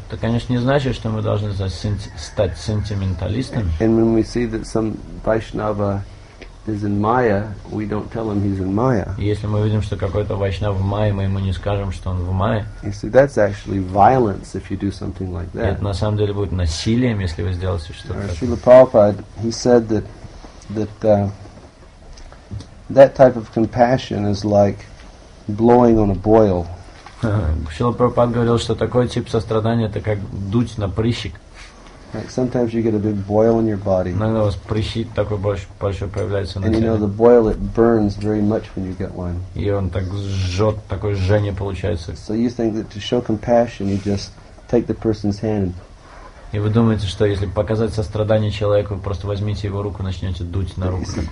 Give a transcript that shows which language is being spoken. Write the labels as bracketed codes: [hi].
[ru] Это, конечно, не значит, что мы должны стать сентименталистами. [en] And when we see that some Vaishnava is in Maya, we don't tell him he's in Maya. [ru] Если мы видим, что какой-то Вайшнав в Майе, мы ему не скажем, что он в Майе. [en] You see, that's actually violence if you do something like that. [ru] Это на самом деле будет насилием, если вы сделаете что-то такое. [en] Srila Prabhupada, he said that type of compassion is like blowing on a boil. [ru] Шрила Прабхупада говорил, что такой тип сострадания это как дуть на прыщик. [en] Like sometimes you get a big boil in your body. [ru] Иногда у вас прыщит такой большой появляется на теле. [en] And you know the boil it burns very much when you get one. [ru] И он так жжет, такое жжение получается. [en] So you think that to show compassion you just take the person's hand. [ru] И вы думаете, что если показать сострадание человеку, вы просто возьмите его руку и начнете дуть на руку.